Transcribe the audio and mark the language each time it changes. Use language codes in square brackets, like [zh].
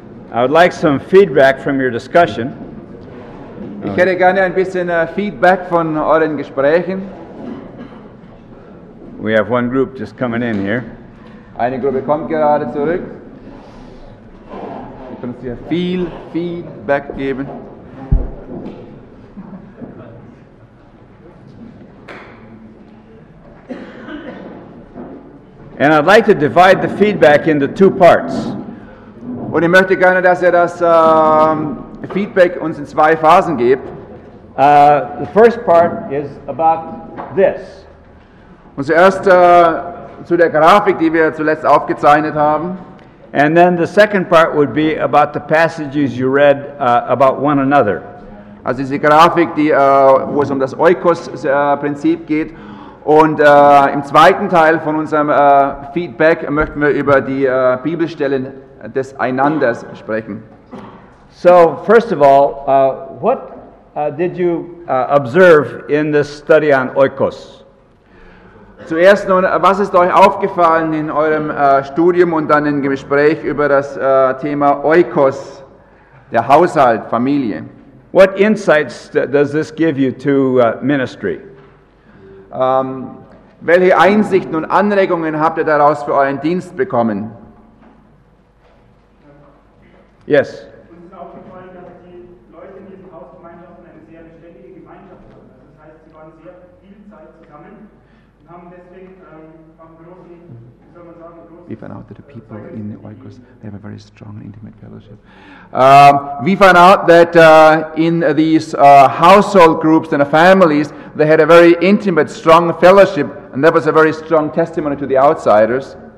[en] I would like some feedback from your discussion. [de] Ich hätte gerne ein bisschen Feedback von euren Gesprächen. [en] We have one group just coming in here. [de] Eine Gruppe kommt gerade zurück. Ich kann sehr viel Feedback geben. [en] And I'd like to divide the feedback into two parts. [de] Und ich möchte gerne, dass ihr das Feedback uns in zwei Phasen gebt. [en] The first part is about this. [de] Und zuerst zu der Grafik, die wir zuletzt aufgezeichnet haben. [en] And then the second part would be about the passages you read about one another. [de] Also diese Grafik, die wo es um das Oikos-Prinzip geht. Und im zweiten Teil von unserem Feedback möchten wir über die Bibelstellen des Einanders sprechen. [en] So, first of all, what did you observe in this study on Oikos? [de] Zuerst nun, was ist euch aufgefallen in eurem Studium und dann im Gespräch über das Thema Oikos, der Haushalt, Familie? [en] What insights does this give you to ministry? [de] Welche Einsichten und Anregungen habt ihr daraus für euren Dienst bekommen? [en] Yes. [de] Uns ist aufgefallen, dass die Leute in diesen Hausgemeinschaften eine sehr beständige Gemeinschaft hatten. Das heißt, sie waren sehr viel Zeit zusammen und haben deswegen auch großen, wie soll man sagen, großen... [en] We found out that the people in the Oikos, they have a very strong and intimate fellowship. We found out that in these household groups and families, they had a very intimate, strong fellowship, and that was a very strong testimony to the outsiders.